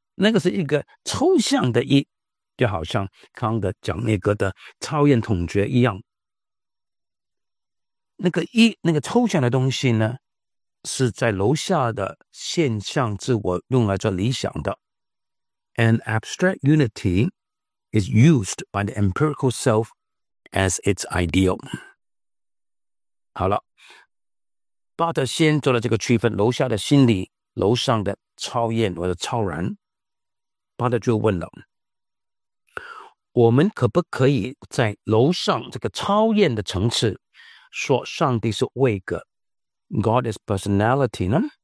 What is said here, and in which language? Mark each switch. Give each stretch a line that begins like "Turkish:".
Chinese: 那个是一个抽象的一，就好像康德讲那个的超验统觉一样。那个一，那个抽象的东西呢，是在楼下的现象自我用来做理想的。
English: An abstract unity is used by the empirical self as its ideal。
Chinese: 好了，巴特先做了这个区分，楼下的心理，楼上的超验或者超然。巴特就问了，我们可不可以在楼上这个超验的层次说上帝是位格
English: God is personality
Chinese: 呢？